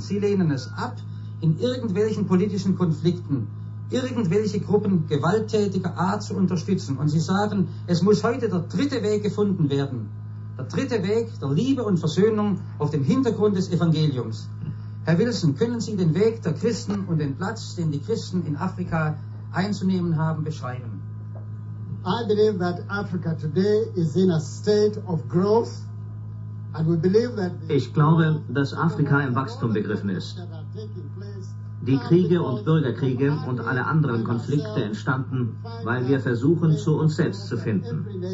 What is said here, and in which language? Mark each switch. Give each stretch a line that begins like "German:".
German: Sie lehnen es ab, in irgendwelchen politischen Konflikten irgendwelche Gruppen gewalttätiger Art zu unterstützen. Und sie sagen, es muss heute der dritte Weg gefunden werden. Der dritte Weg der Liebe und Versöhnung auf dem Hintergrund des Evangeliums. Herr Wilson, können Sie den Weg der Christen und den Platz, den die Christen in Afrika einzunehmen haben, beschreiben?
English: I believe that Africa today is in a state of growth, and we believe that.
German: Ich glaube, dass Afrika im Wachstum begriffen ist. Die Kriege und Bürgerkriege und alle anderen Konflikte entstanden, weil wir versuchen, zu uns selbst zu finden.